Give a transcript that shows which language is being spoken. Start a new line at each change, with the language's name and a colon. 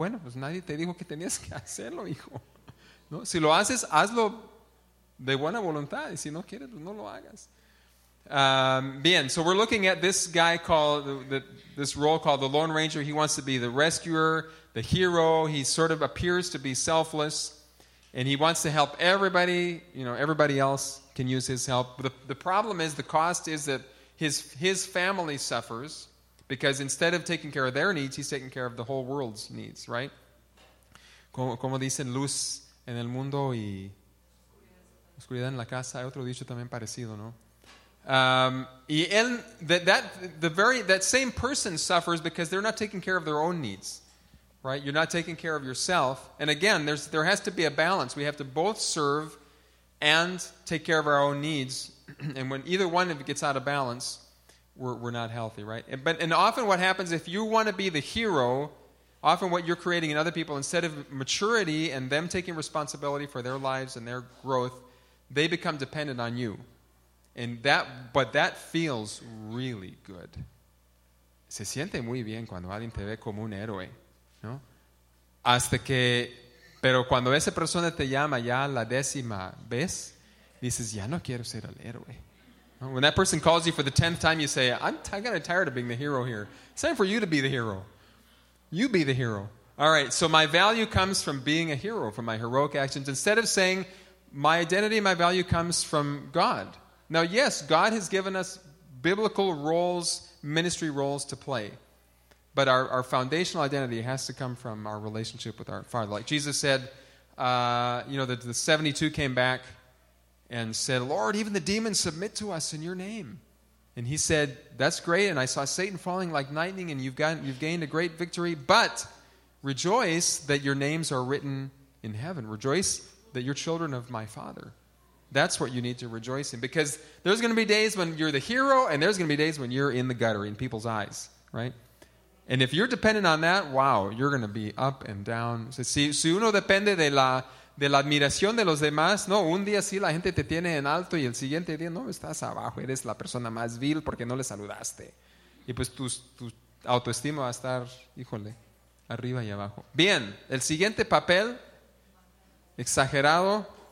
Spanish: Bueno, pues nadie te dijo que tenías que hacerlo, hijo, ¿no? Si lo haces, hazlo de buena voluntad, y si no quieres, pues no lo hagas.
English: Bien, so we're looking at this guy called this role called the Lone Ranger. He wants to be the rescuer, the hero. He sort of appears to be selfless, and he wants to help everybody. You know, everybody else can use his help. The problem is, the cost is that His family suffers, because instead of taking care of their needs, he's taking care of the whole world's needs, right?
Spanish: Como dicen, luz en el mundo y oscuridad en la casa. Hay otro dicho también parecido, ¿no? Y él,
English: that same person suffers because they're not taking care of their own needs, right? You're not taking care of yourself. And again, there has to be a balance. We have to both serve and take care of our own needs. And when either one of it gets out of balance, we're not healthy, right? And often what happens, if you want to be the hero, often what you're creating in other people, instead of maturity and them taking responsibility for their lives and their growth, they become dependent on you. But that feels really good.
Spanish: Se siente muy bien cuando alguien te ve como un héroe, ¿no? Hasta que, pero cuando esa persona te llama ya la décima vez, dices, ya no quiero ser el héroe.
English: When that person calls you for the 10th time, you say, I'm kind of tired of being the hero here. It's time for you to be the hero. You be the hero. All right, so my value comes from being a hero, from my heroic actions, instead of saying, my identity, my value comes from God. Now, yes, God has given us biblical roles, ministry roles to play. But our foundational identity has to come from our relationship with our Father. Like Jesus said, the 72 came back and said, Lord, even the demons submit to us in your name. And he said, that's great, and I saw Satan falling like lightning, and you've gained a great victory, but rejoice that your names are written in heaven. Rejoice that you're children of my Father. That's what you need to rejoice in, because there's going to be days when you're the hero, and there's going to be days when you're in the gutter, in people's eyes, right? And if you're dependent on that, wow, you're going to be up and down.
Spanish: Si uno depende de la... de la admiración de los demás, no, un día sí la gente te tiene en alto y el siguiente día no, estás abajo, eres la persona más vil porque no le saludaste. Y pues tu autoestima va a estar, híjole, arriba y abajo. Bien, el siguiente papel, exagerado.